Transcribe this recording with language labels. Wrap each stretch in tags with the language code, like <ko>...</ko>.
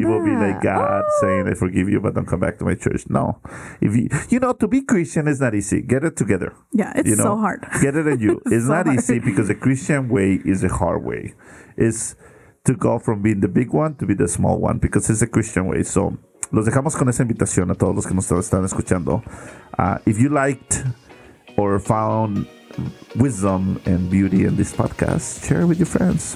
<en>that. It will be like God saying, I forgive you, but don't come back to my church. No. If you know, to be Christian is not easy. Get it together. Yeah, it's so hard. Get it in you. It's so not hard. Easy because the Christian way is a hard way. It's to go from being the big one to be the small one because it's a Christian way.</en> <es>So, los dejamos con esa invitación a todos los que nos están escuchando.</es> <en>If you liked or found wisdom and beauty in this podcast, share it with your friends.</en>